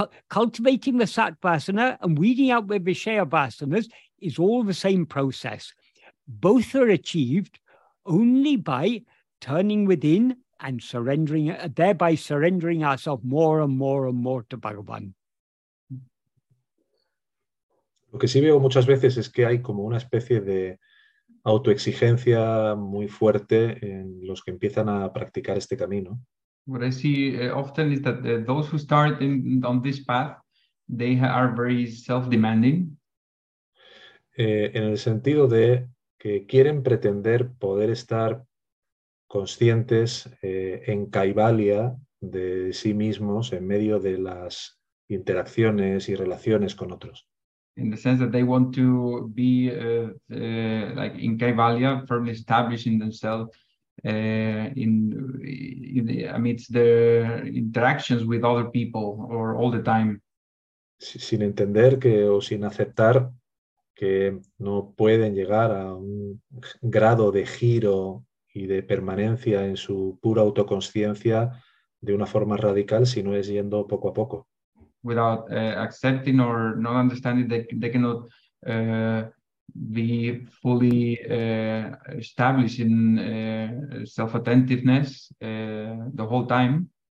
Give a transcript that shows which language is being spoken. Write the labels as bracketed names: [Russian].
[English] Cultivating the sattvasana and weeding out the vishaya vasanas is all the same process. Both are achieved only by turning within and surrendering, thereby surrendering ourselves more and more and more to Bhagavan. [Spanish] Lo que sí veo muchas veces es que hay como una especie de autoexigencia muy fuerte en los que empiezan a practicar este camino. [English] What I see often is that those who start on this path, they are very self-demanding. [Spanish] En el sentido de que quieren pretender poder estar conscientes en Kaivalya de sí mismos en medio de las interacciones y relaciones con otros. [English] In the sense that they want to be like in Kaivalya, firmly establishing themselves amidst the interactions with other people or all the time. [Spanish] Sin entender que o sin aceptar que no pueden llegar a un grado de giro y de permanencia en su pura autoconsciencia de una forma radical si no es yendo poco a poco. [English] Without accepting or not understanding, they cannot be fully established in self-attentiveness the whole time.